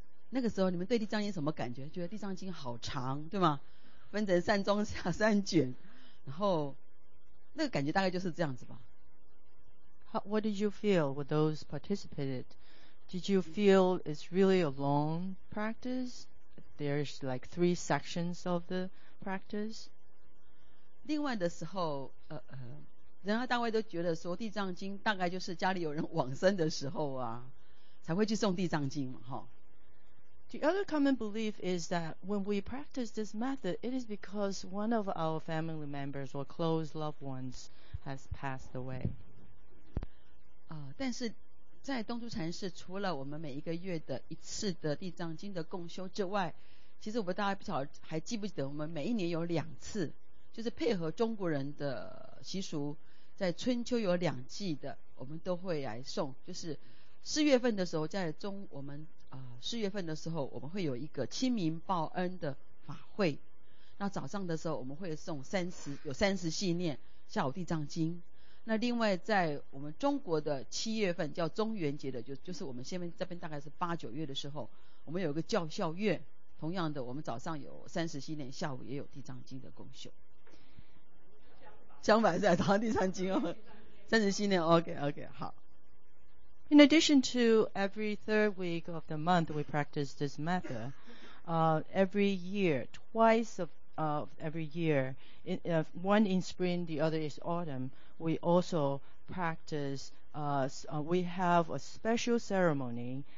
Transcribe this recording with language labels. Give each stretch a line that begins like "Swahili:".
Chinese: 那个时候你们对地藏经什么感觉？觉得地藏经好长，对吗？分成三中下三卷，然后那个感觉大概就是这样子吧。
English: How, what did you feel with those participated? Did you feel it's really a long practice? There's like three sections of the practice.
Chinese: 另外的时候，人家大概都觉得说地藏经大概就是家里有人往生的时候啊，才会去诵地藏经嘛，哈。
English: The other common belief is that when we practice this method, it is because one of our family members or close loved ones has passed away.
Chinese: 但是在东珠禅寺，除了我们每一个月的一次的地藏经的共修之外，其实我们大家不晓得还记不记得，我们每一年有两次，就是配合中国人的习俗，在春秋有两季的，我们都会来诵。就是四月份的时候，在中我们四月份的时候，我们会有一个清明报恩的法会。那早上的时候，我们会诵三十系念，下午地藏经。那另外在我们中国的七月份叫中元节的，就是我们现在这边大概是八九月的时候，我们有一个叫孝月。同样的，我们早上有三十系念，下午也有地藏经的共修。相反是早上地藏经哦，三十系念。 OK， 好。
English: In addition to every third week of the month, we practice this method. Every year, one in spring, the other is autumn. We also practice. We have a special ceremony.